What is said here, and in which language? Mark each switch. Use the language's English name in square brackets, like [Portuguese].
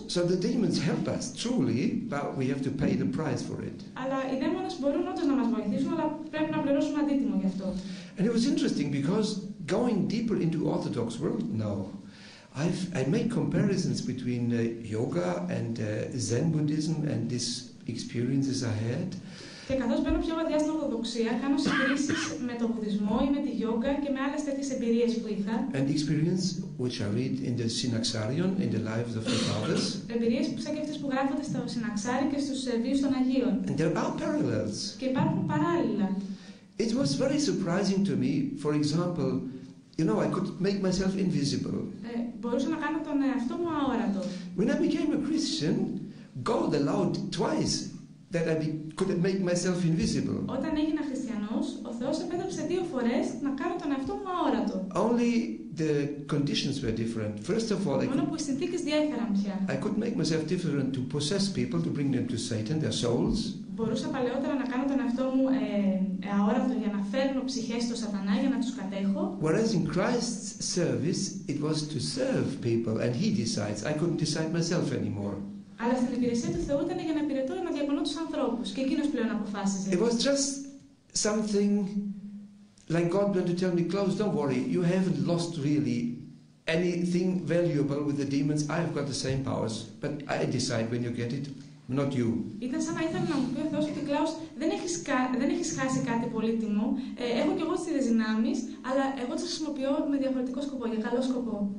[English] So the demons help us truly, but we have to pay the price for it. [Greek] Αλλά οι δαίμονες μπορούν όντως να μας βοηθήσουν, αλλά πρέπει να πληρώσουμε αντίτιμο γι' αυτό. [English] And it was interesting because going deeper into Orthodox world, no. I make comparisons between yoga and Zen Buddhism and these experiences I had. [Greek] Και καθώς μπαίνω πιο βαθιά στην Ορθοδοξία, κάνω συγκρίσεις με τον Βουδισμό ή με τη Γιόγκα και με άλλες τέτοιες εμπειρίες που είχα. [English] And experience which I read in the Synaxarion, in the lives of the fathers. [Greek] Εμπειρίες που σαν και αυτές που γράφονται στο Συναξάρι και στους βίους των Αγίων. [English] And there are parallels. [Greek] Και υπάρχουν παράλληλα. [English] It was very surprising to me, for example, you know, I could make myself invisible. [Greek] Μπορούσα να κάνω τον εαυτό μου αόρατο. [English] When I became a Christian, God allowed twice that I could make myself invisible. [Greek] Όταν έγινα χριστιανός, ο Θεός επέτρεψε δύο φορές να κάνω τον εαυτό μου αόρατο. [English] Only the conditions were different. First of all, [Greek] μόνο που οι συνθήκες διέφεραν πια. [English] I could make myself different to possess people, to bring them to Satan, their souls. [Greek] Μπορούσα παλαιότερα να κάνω τον εαυτό μου αόρατο για να φέρνω ψυχές στο σατανά για να τους κατέχω. [English] Whereas in Christ's service, it was to serve people, and He decides. I couldn't decide myself anymore. [Greek] Αλλά στην υπηρεσία του Θεού ήταν για να υπηρετώ, να διακονώ τους ανθρώπους και εκείνος πλέον αποφάσιζε. [English] It was just something like God wanted to tell me, Klaus, don't worry, you haven't lost really anything valuable with the demons. I've got the same powers, but I decide when you get it, not you. [Greek] Ήταν σαν να ήθελα να μου πει ο Θεός ότι Klaus, δεν έχεις χάσει κάτι πολύτιμο. Έχω κι εγώ τις ίδιες δυνάμεις, αλλά εγώ τις χρησιμοποιώ με διαφορετικό σκοπό, για καλό σκοπό.